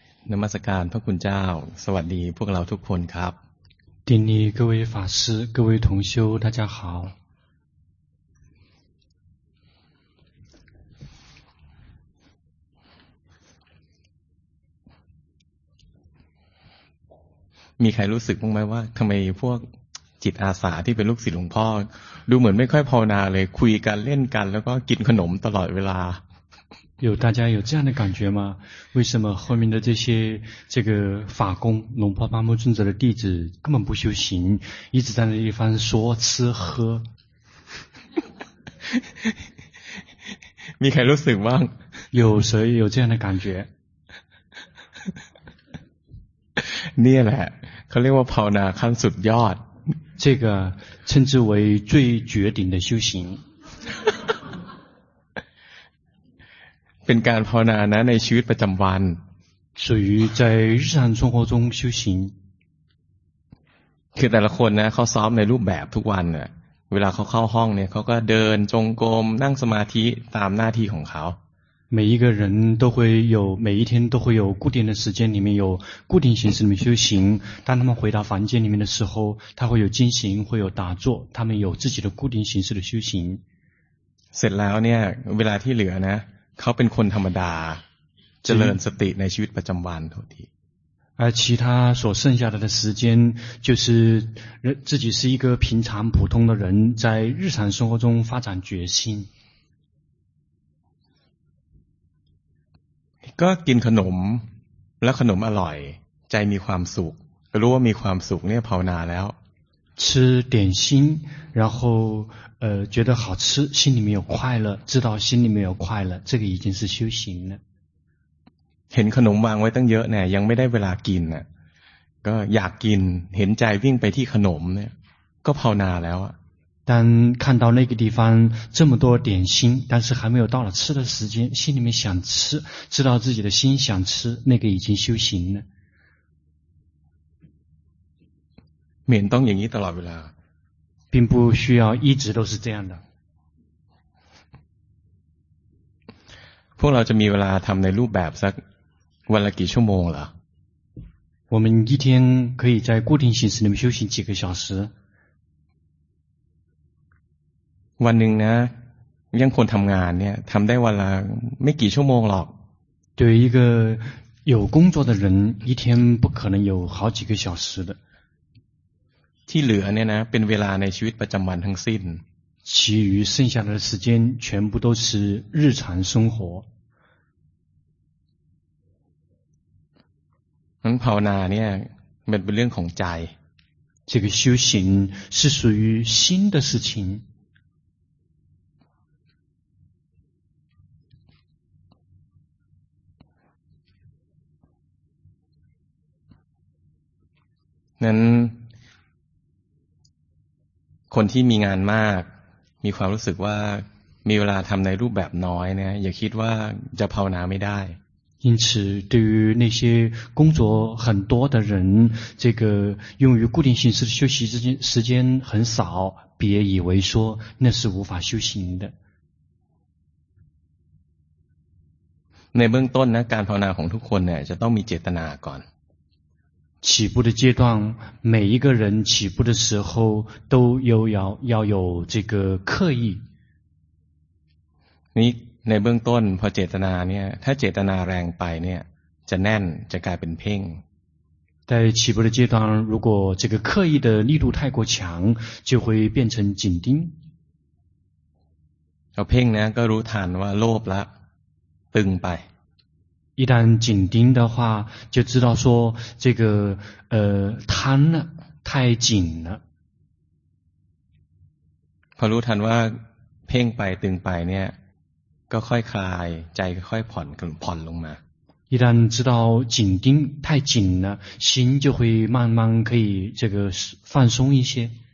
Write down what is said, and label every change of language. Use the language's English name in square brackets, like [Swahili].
[Thai] นมัสการพระคุณเจ้าสวัสดีพวกเราทุกคนครับ ทีนี้ [Chinese] 各位法师各位同修大家好 [Thai] มีใครรู้สึกบ้างไหมว่าทำไมพวกจิตอาสาที่เป็นลูกศิษย์หลวงพ่อดูเหมือนไม่ค่อยภาวนาเลยคุยกันเล่นกันแล้วก็กินขนมตลอดเวลา [Chinese] 有大家有这样的感觉吗？为什么后面的这些这个法工龙婆巴木尊者的弟子根本不修行，一直在那地方说吃喝？ [Thai] มีใครรู้สึกบ้าง？ [Chinese] 有谁有这样的感觉？ [Thai] นี่แหละเขาเรียกว่าภาวนาขั้นสุดยอด。 [Chinese] 这个称之为最绝顶的修行。 [Thai] เป็นการภาวนานะในชีวิตประจำวัน สุยใจ [Chinese] 日常生活中修行 [Thai] คือแต่ละคนนะเขาซ้อมในรูปแบบทุกวันเนี่ยเวลาเขาเข้าห้องเนี่ยเขาก็เดินจงกรมนั่งสมาธิตามหน้าที่ของเขา [Chinese] 每一个人都会有每一天都会有固定的时间里面有固定形式里面修行当他们回到房间里面的时候他会有静行会有打坐他们有自己的固定形式的修行 [Thai] เสร็จแล้วเนี่ยเวลาที่เหลือนะเขาเป็นคนธรรมดาเจริญสติในชีวิตประจำวันเท่าที่ [Chinese] 而其他所剩下的时间就是自己是一个平常普通的人在日常生活中发展决心 [Thai] ก็กินขนมและขนมอร่อยใจมีความสุขรู้ว่ามีความสุขเนี่ยภาวนาแล้ว [Chinese] 吃点心然后觉得好吃心里面有快乐知道心里面有快乐这个已经是修行了 [Thai] เห็นขนมวางไว้ตั้งเยอะเนี่ยยังไม่ได้เวลากินน่ะก็อยากกินเห็นใจวิ่งไปที่ขนมเนี่ยก็ภาวนาแล้วอ่ะ [Chinese] 但看到那个地方这么多点心但是还没有到了吃的时间心里面想吃知道自己的心想吃那个已经修行了 [Thai] เหมือนต้องอย่างนี้ตลอดเวลา [Chinese] 并不需要一直都是这样的 [Thai] พวกเราจะมีเวลาทำในรูปแบบสักวันละกี่ชั่วโมงเหร [Chinese] อ我们一天可以在固定形式里面修行几个小时 [Thai] วันหนึ่งนะยังคนทำงานเนี่ยทำได้วันละไม่กี่ชั่วโมงหรอก [Chinese] 对一个有工作的人一天不可能有好几个小时的 [Thai] ที่เหลือเนี่ยนะเป็นเวลาในชีวิตประจำวันทั้งสิ้น [Chinese] 其余剩下的时间全部都是日常生活 [Thai] นั้นภาวนาเนี่ยมันเป็นเรื่องของใจ [Chinese] 这个修行是属于心的事情 [Thai] นั้นคนที่มีงานมากมีความรู้สึกว่ามีเวลาทำในรูปแบบน้อยเนี่ยอย่าคิดว่าจะภาวนาไม่ได้ [Chinese] 因此对于那些工作很多的人这个用于固定形式的休息时间很少别以为说那是无法修行的 [Thai] ในเบื้องต้นนะการภาวนาของทุกคนเนี่ยจะต้องมีเจตนาก่อน [Chinese] 起步的阶段每一个人起步的时候都要有这个刻意 [Thai] นี่ในเบื้องต้นพอเจตนาเนี่ยถ้าเจตนาแรงไปเนี่ยจะแน่นจะกลายเป็นเพ่ง [Chinese] 在起步的阶段如果这个刻意的力度太过强就会变成紧盯 [Thai] เอาเพ่งนะก็รู้ทันว่าโลภละตึงไป [Chinese] 一旦紧盯的话就知道说这个贪了太紧了 [Thai] พอรู้ทันว่าเพ่งไปตึงไปเนี่ยก็ค่อยคลายใจค่อยผ่อนลงมา [Chinese] 一旦知道紧盯太紧了心就会慢慢可以这个放松一些